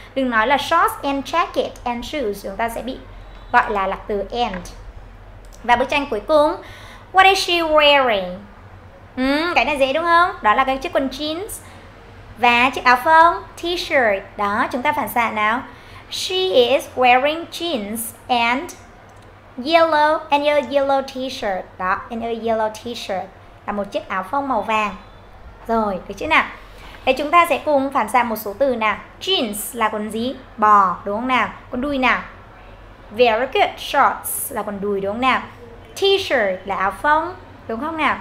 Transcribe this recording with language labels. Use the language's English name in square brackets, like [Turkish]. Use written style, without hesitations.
[Vietnamese] Đừng nói là [English] shorts and jacket and shoes, [Vietnamese] chúng ta sẽ bị gọi là lặc từ and. Và bức tranh cuối cùng, [English] what is she wearing? [Vietnamese] Cái này dễ đúng không? Đó là cái chiếc quần jeans và chiếc áo phông, t-shirt. Đó, chúng ta phản xạ nào. [English] She is wearing jeans and a yellow t-shirt. [Vietnamese] Đó, [English] and a yellow t-shirt [Vietnamese] là một chiếc áo phông màu vàng. Rồi, được chưa nào? Thế chúng ta sẽ cùng phản xạ một số từ nào. Jeans là quần gì? Bò, đúng không nào? Quần đùi nào? [English] Very good, [Vietnamese] shorts là quần đùi đúng không nào? T-shirt là áo phông đúng không nào?